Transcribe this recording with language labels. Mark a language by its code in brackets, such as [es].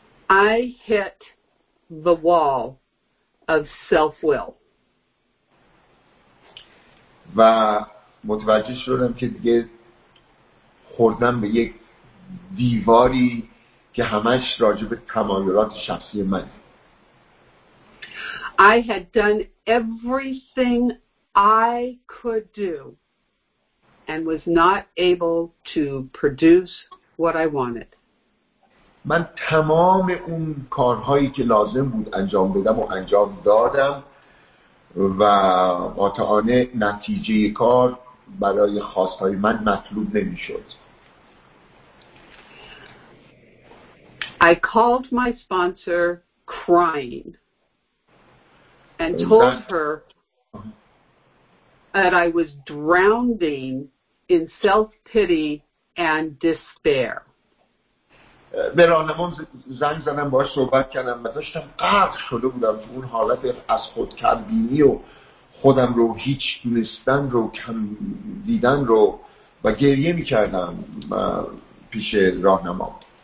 [en] I hit the wall of self-will. [fa] و متوجه شدم که دیگه خوردم به یک دیواری که همش راجب تمایلات شخصی من. [en] I had done everything I could do and was not able to produce what I wanted. [fa] من تمام اون کارهایی که لازم بود انجام بدم و انجام دادم و قاطعانه نتیجه کار برای خواستهای من مطلوب نمی شد. [en] I called my sponsor crying and told her that I was drowning in self-pity and despair. [fa] به راهنمام زنگ زدم، باهاش صحبت کردم و داشتم غرق شده بودم تو اون حالت از خود کم بینی و خودم رو هیچ دونستن رو کم دیدن رو و گریه می کردم پیش راهنمام.